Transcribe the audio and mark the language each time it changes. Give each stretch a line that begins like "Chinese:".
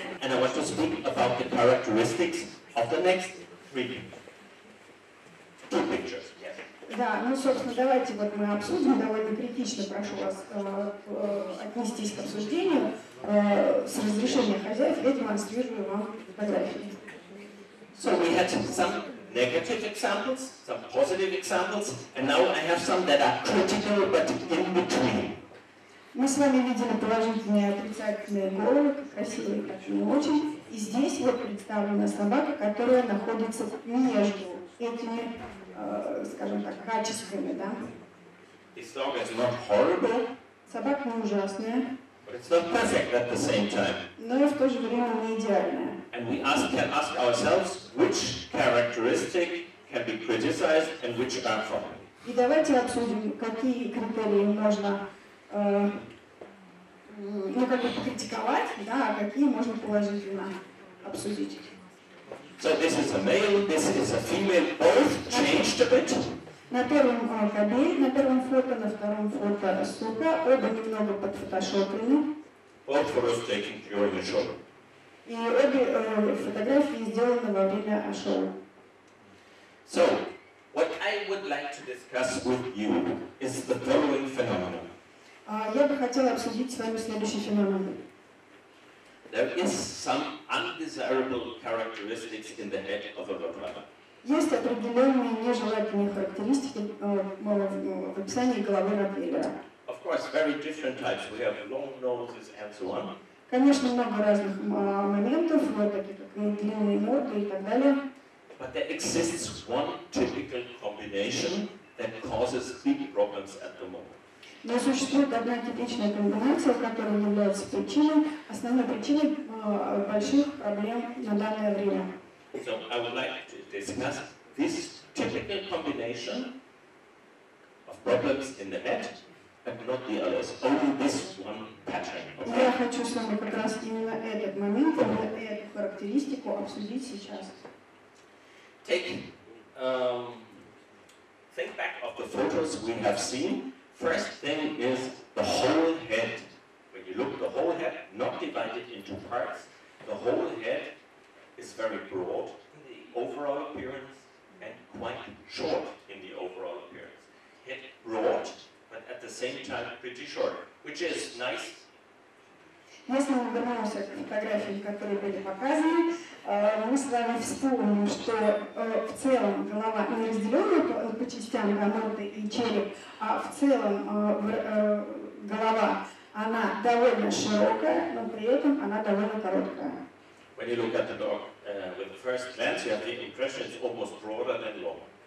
English: And I want to speak about the characteristics of the next three two pictures.
Russian: Да, ну, собственно, давайте вот мы обсудим, довольно критично прошу вас отнестись к обсуждению. С разрешения хозяев я демонстрирую вам фотографии.
English: So we had some negative examples, some positive examples, and now I have some that are critical, but in between.
Russian: Мы с вами видели положительные и отрицательные головы, красивые, как не очень. И здесь вот представлена собака, которая находится между этими, скажем так, качествами, да?
English: This dog is not horrible.
Russian: Собака не ужасная.
English: But it's not perfect at the same time.
Russian: Но и в то же время не идеальная.
English: And we can ask ourselves, which characteristic can be criticized and which are fine.
Russian: И давайте обсудим, какие критерии можно, ну, как бы критиковать, да, а какие можно положительно обсудить.
English: So this is a male, this is a female, both changed a bit.
Russian: На первом кадре, на первом фото, на втором фото сука, оба немного подфотошоплены.
English: Both photos taken during the show.
Russian: И обе фотографии сделаны во время шоу.
English: So, what I would like to discuss with you is the following phenomenon.
Russian: Я бы хотела обсудить с вами следующий феномен.
English: There is some undesirable characteristics in the head of a rottweiler.
Russian: Есть определенные нежелательные характеристики в описании головы ротвейлера.
English: Of course, very different types. We have long noses and so on.
Russian: Конечно, много разных моментов, вот таких как длинные морды и так далее.
English: But there exists one typical combination that causes big problems at the moment.
Russian: Но существует одна типичная комбинация, которая является причиной, основной причиной больших проблем на данное время.
English: So I would like to discuss this typical combination of problems in the head. Not the others, only this one pattern.
Russian: Okay. Я хочу с вами как раз именно этот момент, эту характеристику обсудить сейчас.
English: Take, think back of the photos we have seen. First thing is the whole head. When you look, the whole head, not divided into parts, the whole head is very broad in the overall appearance and quite short in the overall appearance. Head broad. At the same time, pretty short, which is nice.
Russian: Если мы вернемся к фотографиям, которые были показаны, мы с вами вспомним, что в целом голова не разделена по частям, на морды и череп, а в целом голова она довольно широкая, но при этом она довольно короткая.
English: When you look at the dog with the first glance, you have the impression it's almost broader than long.